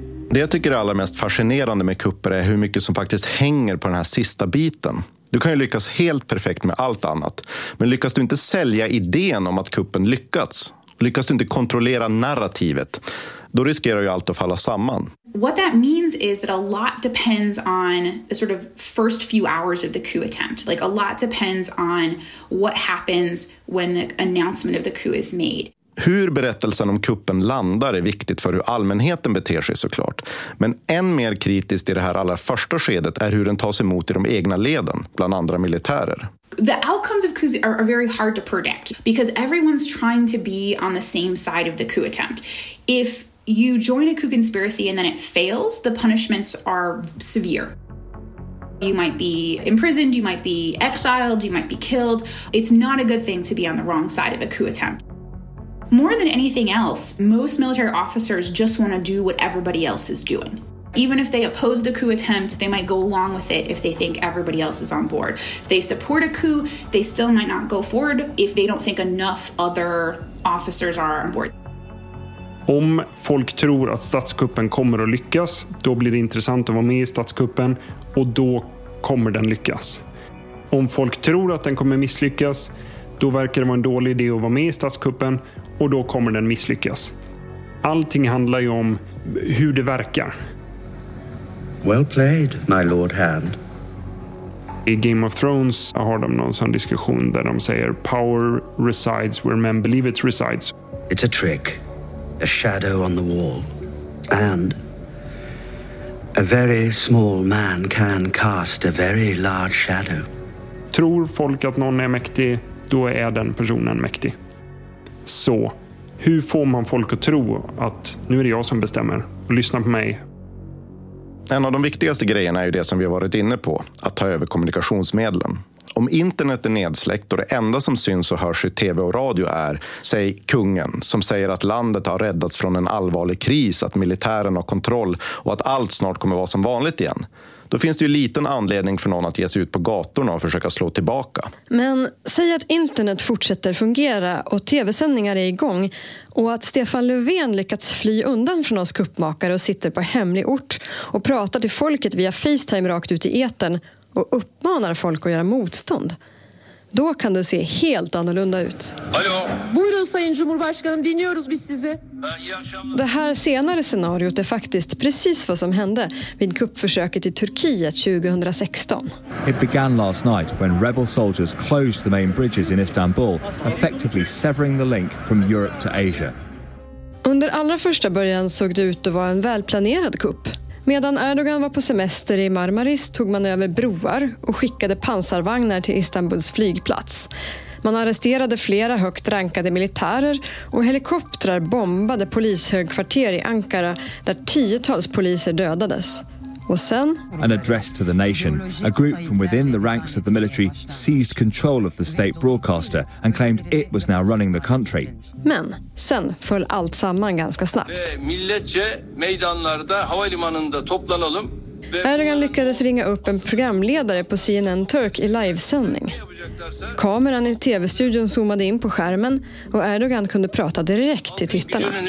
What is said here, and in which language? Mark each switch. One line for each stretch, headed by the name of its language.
Swedish: Det jag tycker är allra mest fascinerande med kupper är hur mycket som faktiskt hänger på den här sista biten. Du kan ju lyckas helt perfekt med allt annat. Men lyckas du inte sälja idén om att kuppen lyckats, lyckas du inte kontrollera narrativet, då riskerar ju allt att falla samman.
English: What that means is that a lot depends on the sort of first few hours of the coup attempt. Like a lot depends on what happens when the announcement of the coup is made.
Swedish: Hur berättelsen om kuppen landar är viktigt för hur allmänheten beter sig såklart. Men än mer kritiskt i det här allra första skedet är hur den tas emot i de egna leden, bland andra militärer.
English: The outcomes of coups are very hard to predict because everyone's trying to be on the same side of the coup attempt. If you join a coup conspiracy and then it fails, the punishments are severe. You might be imprisoned, you might be exiled, you might be killed. It's not a good thing to be on the wrong side of a coup attempt. More than anything else, most military officers just want to do what everybody else is doing. Even if they oppose the coup attempt, they might go along with it if they think everybody else is on board. If they support a coup, they still might not go forward if they don't think enough other officers are on board.
Swedish: Om folk tror att statskuppen kommer att lyckas, då blir det intressant att vara med i statskuppen och då kommer den lyckas. Om folk tror att den kommer misslyckas, då verkar det vara en dålig idé att vara med i statskuppen och då kommer den misslyckas. Allting handlar ju om hur det verkar.
English: Well played, my lord hand.
Swedish: I Game of Thrones har de någon sån diskussion där de säger
English: power resides where men believe it resides. It's a trick. A shadow on the wall. And a very small man can cast a very large shadow.
Swedish: Tror folk att någon är mäktig, då är den personen mäktig. Så, hur får man folk att tro att nu är det jag som bestämmer? Och lyssna på mig. En av de viktigaste grejerna är ju det som vi har varit inne på. Att ta över kommunikationsmedlen. Om internet är nedsläckt och det enda som syns och hörs i tv och radio är, säg, kungen som säger att landet har räddats från en allvarlig kris, att militären har kontroll och att allt snart kommer vara som vanligt igen. Då finns det ju liten anledning för någon att ge sig ut på gatorna och försöka slå tillbaka. Men säg att internet fortsätter fungera och tv-sändningar är igång och att Stefan Löfven lyckats fly undan från oss kuppmakare och sitter på hemlig ort och pratar till folket via FaceTime rakt ut i etern och uppmanar folk att göra motstånd. Då kan det se helt annorlunda ut. Hallå.
Turkish: Buyurun Sayın Cumhurbaşkanım, dinliyoruz biz sizi.
Swedish: Det här senare scenariot är faktiskt precis vad som hände vid kuppförsöket i Turkiet 2016.
English: It began last night when rebel soldiers closed the main bridges in Istanbul, effectively severing the link from Europe to Asia.
Swedish: Under allra första början såg det ut att vara en välplanerad kupp. Medan Erdogan var på semester i Marmaris tog man över broar och skickade pansarvagnar till Istanbuls flygplats. Man arresterade flera högt rankade militärer och helikoptrar bombade polishögkvarter i Ankara där tiotals poliser dödades. Och sen...
English: An address to the nation. A group from within the ranks of the military seized control of the state broadcaster and claimed it was now running the country.
Swedish: Men sen föll allt samman ganska snabbt.
Turkish: Milletçe meydanlarda havalimanında toplanalım.
Swedish: Erdogan lyckades ringa upp en programledare på CNN Turk i livesändning. Kameran i tv-studion zoomade in på skärmen och Erdogan kunde prata direkt till tittarna.